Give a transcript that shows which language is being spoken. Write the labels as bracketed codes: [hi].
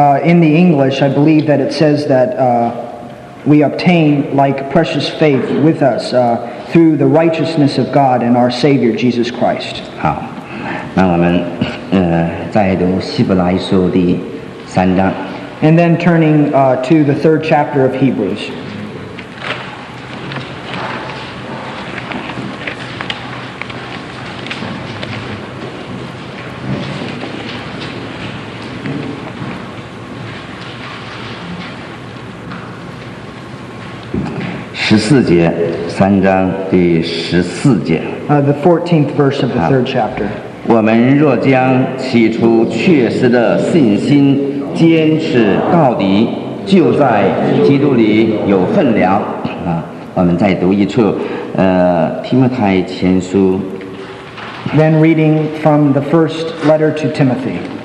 [en] In the English, I believe that it says that we obtain like precious faith with us. Through the righteousness of God and our Savior Jesus Christ. [zh] 好，那我们再读希伯来书第三章。 [en] And then turning to the third chapter of Hebrews. [zh] 十四节。三章第十四节。 [en] The 14th verse of the third chapter. [zh] 我们若将起初确实的信心坚持到底，就在基督里有份了。我们再读一处，提摩太前书。 [en] Then reading from the first letter to Timothy.